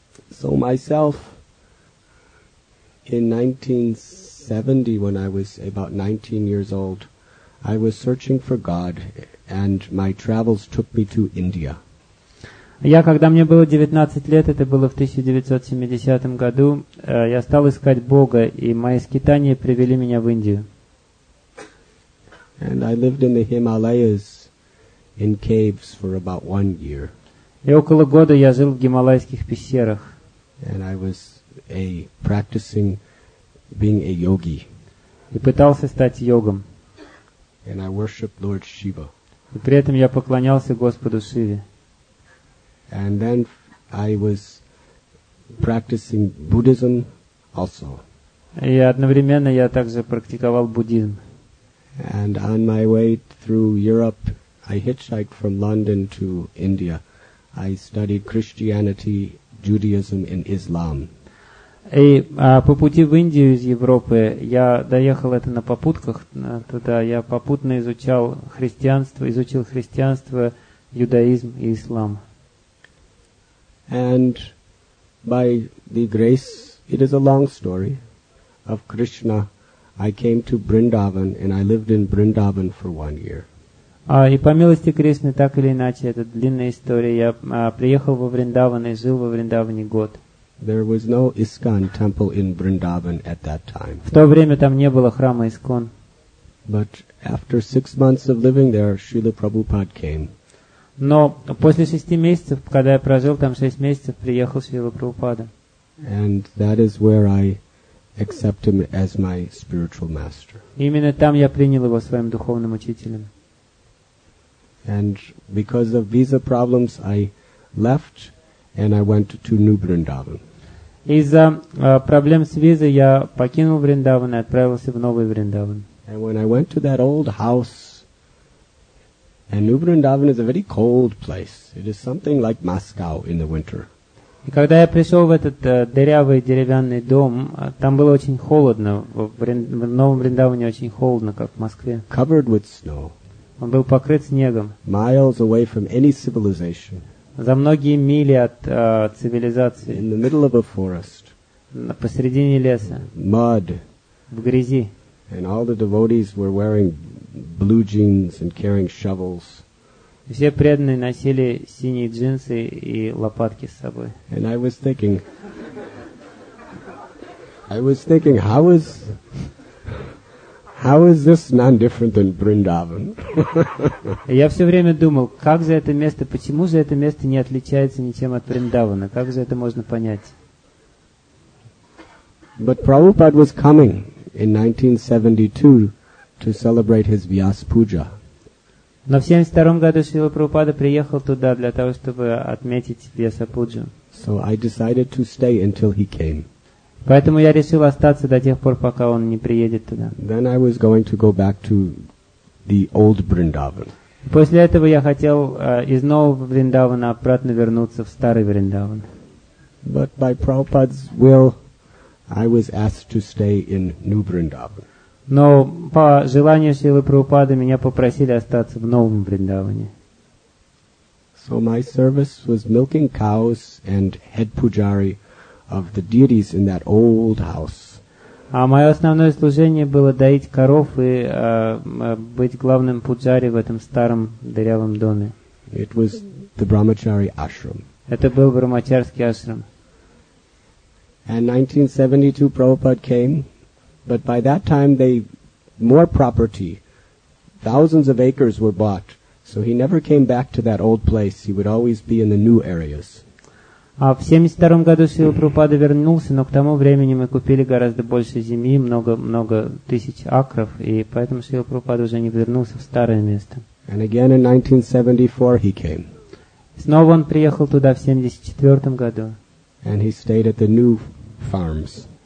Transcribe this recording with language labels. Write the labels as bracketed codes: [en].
[en] So myself, in 1970, when I was about 19 years old, I was searching for God, and my travels took me to India. [ru] Я, когда мне было 19 лет, это было в 1970 году, я стал искать Бога, и мои скитания привели меня в Индию. [en] And I lived in the Himalayas in caves for about 1 year. [ru] И около года я жил в гималайских пещерах. [en] And I was a practicing being a yogi. [ru] И пытался стать йогом. [en] And I worshiped Lord Shiva. [ru] И при этом я поклонялся Господу Шиве. [en] And then I was practicing Buddhism also. [ru] И одновременно я также практиковал буддизм. [en] And on my way through Europe, I hitchhiked from London to India. I studied Christianity, Judaism, and Islam. [ru] И по пути в Индию из Европы, я доехал это на попутках туда, я попутно изучил христианство, иудаизм и ислам. [en] And by the grace, it is a long story, of Krishna, I came to Vrindavan and I lived in Vrindavan for 1 year. [ru] И по милости Кришны, так или иначе, это длинная история, я приехал во Вриндаван и жил во Вриндаване год. [en] There was no ISKCON temple in Vrindavan at that time. [ru] В то время там не было храма ИСКОН. [en] But After 6 months of living there, Srila Prabhupada came. [ru] Но после 6 месяцев, когда я прожил там 6 месяцев, приехал Шрила Прабхупада. [en] And that is where I accept him as my spiritual master. [ru] Именно там я принял его своим духовным учителем. [en] And because of visa problems, I left and I went to New Vrindavan. [ru] Из-за проблем с визой я покинул Вриндаван и отправился в Новый Вриндаван. [en] And when I went to that old house, and New Vrindavan is a very cold place. It is something like Moscow in the winter. [ru] И когда я пришел в этот дырявый деревянный дом, там было очень холодно. В Новом Вриндаване очень холодно, как в Москве. [en] Covered with snow. [ru] Он был покрыт снегом. [en] Miles away from any civilization. [ru] За многие мили от цивилизации. [en] In the middle of a forest. [ru] Посредине леса. [en] Mud. [ru] В грязи. [en] And all the devotees were wearing blue jeans and carrying shovels. [ru] Все преданные носили синие джинсы и лопатки с собой. [en] And I was thinking, how is this none different than Vrindavan? [ru] Я все время думал, как же это место, почему же это место не отличается ничем от Вриндавана? Как же это можно понять? [en] But Prabhupada was coming in 1972 to celebrate his Vyas Puja. [ru] Но в 72 году Шрила Прабхупада приехал туда для того, чтобы отметить Вьяса Пуджу. [en] So I decided to stay until he came. [ru] Поэтому я решил остаться до тех пор, пока он не приедет туда. [en] Then I was going to go back to the old Vrindavan. [ru] После этого я хотел из нового Вриндавана обратно вернуться в старый Вриндаван. [en] But by Prabhupada's will, I was asked to stay in New Vrindavan. [ru] Но по желанию Шрилы Прабхупады меня попросили остаться в Новом Вриндаване. [en] So my service was milking cows and head pujari of the deities in that old house. [ru] А мое основное служение было доить коров и быть главным пуджари в этом старом дырявом доме. [en] It was the brahmachari ashram. [ru] Это был брахмачарский ашрам. [en] And 1972 Prabhupada came, but by that time they more property, thousands of acres were bought, so he never came back to that old place. He would always be in the new areas. [ru] А в 72 году Шрила Прабхупада вернулся, но к тому времени мы купили гораздо больше земли, много тысяч акров, и поэтому Шрила Прабхупада уже не вернулся в старое место. [en] And again in 1974 he came. [ru] Снова он приехал туда в 74 году. [en] And he stayed at the new farms.